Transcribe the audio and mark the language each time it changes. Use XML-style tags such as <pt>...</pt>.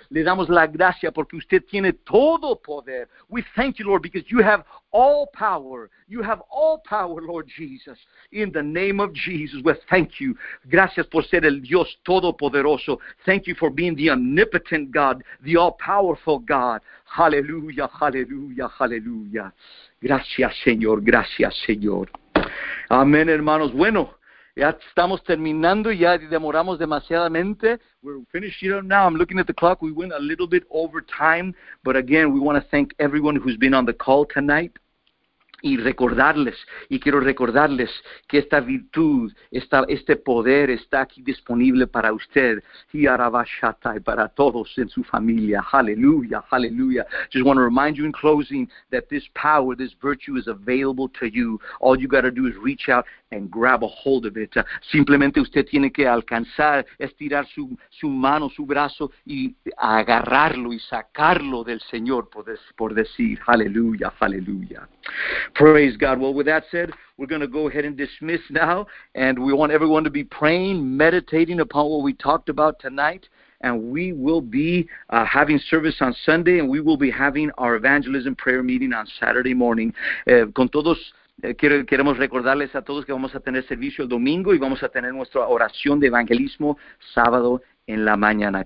<es>Le damos la gracia porque usted tiene todo poder.</es> <en>We thank you, Lord, because you have all power. You have all power, Lord Jesus. In the name of Jesus, we thank you.</en> <es>Gracias por ser el Dios todopoderoso.</es> <en>Thank you for being the omnipotent God, the all-powerful God.</en> <es>Hallelujah, hallelujah, hallelujah. Gracias, Señor. Gracias, Señor. Amén, hermanos. Bueno, ya estamos terminando, ya demoramos demasiadamente.</es> <en>We're finishing up now. I'm looking at the clock. We went a little bit over time. But again, we want to thank everyone who's been on the call tonight.</en> <es>Y recordarles, y quiero recordarles que esta virtud, este poder está aquí disponible para usted. Y para todos en su familia. Hallelujah, hallelujah.</es> <en>Just want to remind you in closing that this power, this virtue is available to you. All you got to do is reach out and grab a hold of it.</en> <es>Simplemente usted tiene que alcanzar, estirar su mano, su brazo, y agarrarlo y sacarlo del Señor, por decir, hallelujah, hallelujah.</es> <en>Praise God. Well, with that said, we're going to go ahead and dismiss now, and we want everyone to be praying, meditating upon what we talked about tonight. And we will be having service on Sunday, and we will be having our evangelism prayer meeting on Saturday morning.</en> <es>Con todos, queremos recordarles a todos que vamos a tener servicio el domingo y vamos a tener nuestra oración de evangelismo sábado en la mañana.</es>